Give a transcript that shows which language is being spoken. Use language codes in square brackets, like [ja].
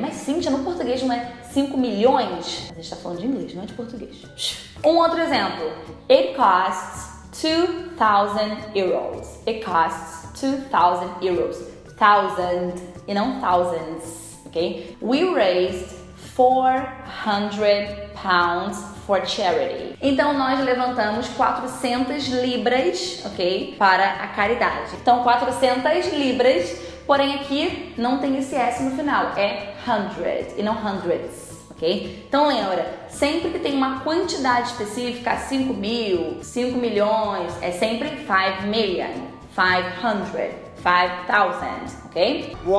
[pt] Mas sim, já no português não é 5 milhões. A gente tá falando de inglês, não é de português. Um outro exemplo. [en] It costs 2,000 euros. It costs 2,000 euros. Thousand e não thousands, ok? We raised 400 pounds for charity. [pt] Então nós levantamos 400 libras, ok? Para a caridade. Então 400 libras, porém aqui não tem esse S no final. É hundred e não hundreds. Okay? Então lembra, sempre que tem uma quantidade específica, 5 mil, 5 milhões, é sempre 5 million, 500, 5,000, ok?